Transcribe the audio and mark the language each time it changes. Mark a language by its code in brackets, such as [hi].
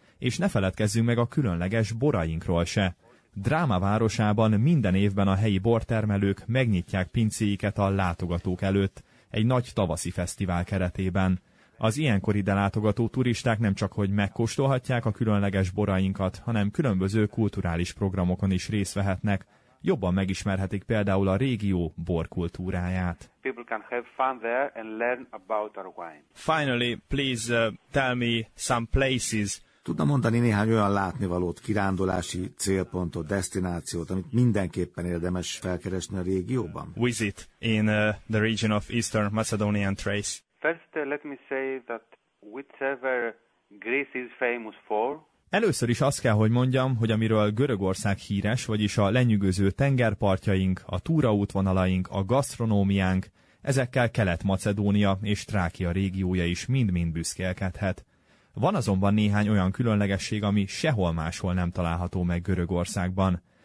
[hu] És ne feledkezzünk meg a különleges borainkról se. Dráma városában minden évben a helyi bortermelők megnyitják pincéiket a látogatók előtt, egy nagy tavaszi fesztivál keretében. Az ilyenkor ide látogató turisták nem csak hogy megkóstolhatják a különleges borainkat, hanem különböző kulturális programokon is részt vehetnek. Jobban megismerhetik például a régió borkultúráját. [en] People can have fun there and learn about our wine. Finally, please tell me some places. [hu] Tudna mondani néhány olyan látnivalót, kirándulási célpontot, destinációt, amit mindenképpen érdemes felkeresni a régióban? [en] Visit in the region of Eastern Macedonia and Thrace. First, let me say that whichever Greece is famous for. [hu] Először is azt kell, hogy mondjam, hogy amiről Görögország híres, vagyis a lenyűgöző tengerpartjaink, a túraútvonalaink, a gasztronómiánk, ezekkel Kelet-Macedónia és Trákia régiója is mind-mind büszkélkedhet. Van azonban néhány olyan különlegesség, ami sehol máshol nem található meg Görögországban.